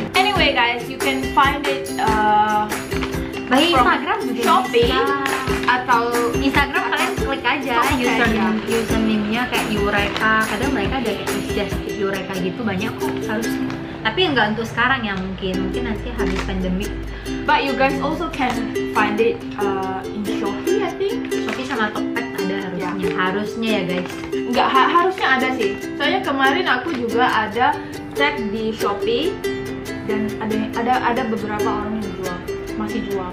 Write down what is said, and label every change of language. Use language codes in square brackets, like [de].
[en] Anyway guys, you can find it by Instagram [id] juga. Shopee bisa. Atau Instagram kalian klik aja username-nya kayak Eureka. Kadang mereka ada just Eureka gitu, banyak kok harusnya. Tapi enggak untuk sekarang ya mungkin. Mungkin nanti habis pandemi. [en] But you guys also can find it in Shopee, I think. [id] Shopee sama Tokped ada harusnya. Yeah. Harusnya ya guys. Enggak, harusnya ada sih. Soalnya kemarin aku juga ada cek di Shopee dan ada beberapa orang yang jual, masih jual.